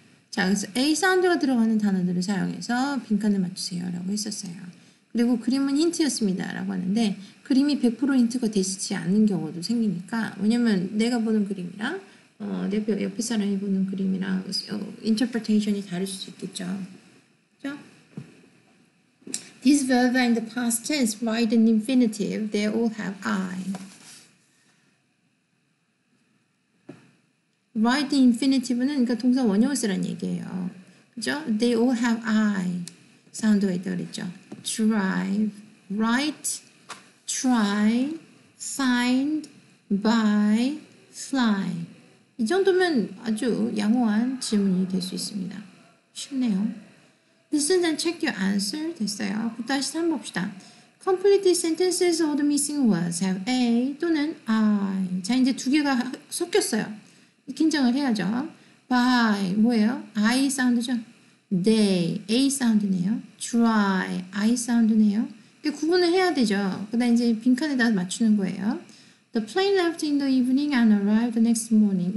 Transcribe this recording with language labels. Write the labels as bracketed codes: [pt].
[ko] 자, 그래서 A 사운드가 들어가는 단어들을 사용해서 빈칸을 맞추세요 라고 했었어요. 그리고 그림은 힌트였습니다 라고 하는데 그림이 100% 힌트가 되지 않는 경우도 생기니까 왜냐면 내가 보는 그림이랑 옆에 사람이 보는 그림이랑 인터프레테이션이 다를 수 있겠죠. 그렇죠? [en] These verbs are in the past tense, write an infinitive, they all have I. Write the infinitive [ko] 는 그러니까 동사 원형을 쓰란 얘기예요. 그죠? [en] They all have I. [ko] 사운드가 있다고 그랬죠. [en] Drive, write, try, find, buy, fly. [ko] 이 정도면 아주 양호한 질문이 될 수 있습니다. 쉽네요. [en] Listen and check your answer. [ko] 됐어요. 다시 한번 봅시다. [en] Complete sentences or the missing words have A 또는 I. [ko] 자, 이제 두 개가 섞였어요. 긴장을 해야죠. By, 뭐예요? I 사운드죠. They, A 사운드네요. Try, I 사운드네요. 구분을 해야 되죠. 그 다음 이제 빈칸에다 맞추는 거예요. [en] The plane left in the evening and arrived the next morning.